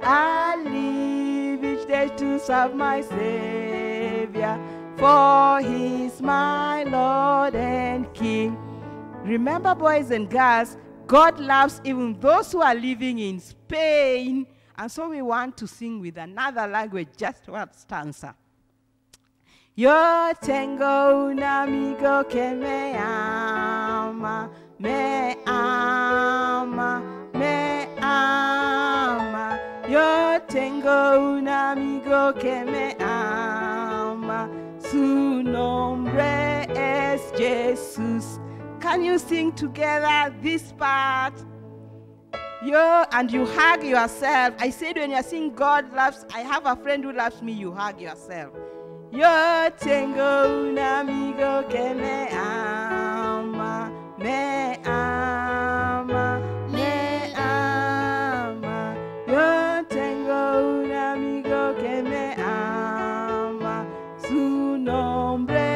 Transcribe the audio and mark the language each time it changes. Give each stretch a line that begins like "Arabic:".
English: I live each day to serve my Savior, for he's my Lord and King. Remember, boys and girls, God loves even those who are living in Spain. And so we want to sing with another language, just one stanza.
Spanish: Yo tengo un amigo que me ama, me ama, me ama. Yo tengo un amigo que me ama, su nombre es Jesús.
English: Can you sing together this part?
Spanish: Yo,
English: and you hug yourself. I said when you are singing, God loves, I have a friend who loves me, you hug yourself.
Spanish: Yo tengo un amigo que me ama, me ama, me ama. Yo tengo un amigo que me ama, su nombre.